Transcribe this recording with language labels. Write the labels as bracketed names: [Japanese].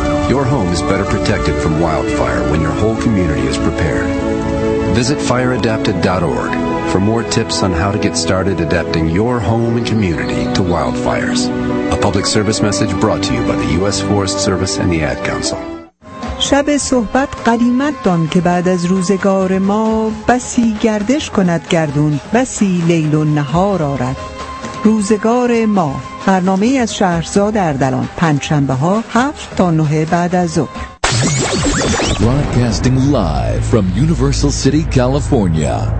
[English] Your home is better protected from wildfire when your whole community is prepared. Visit fireadapted.org for more tips on how to get started adapting your home and community to wildfires. A public service message brought to you by the U.S. Forest Service and the Ad Council. [Persian] شب صحبت قدیمت دان که بعد از روزگار ما، بسی گردش کند گردون، بسی لیل و نهار آرد. روزگار ما، برنامه از شهرزاد اردلان، پنج شنبه ها 7 تا 9 بعد از ظهر. [English] Broadcasting live from Universal City, California.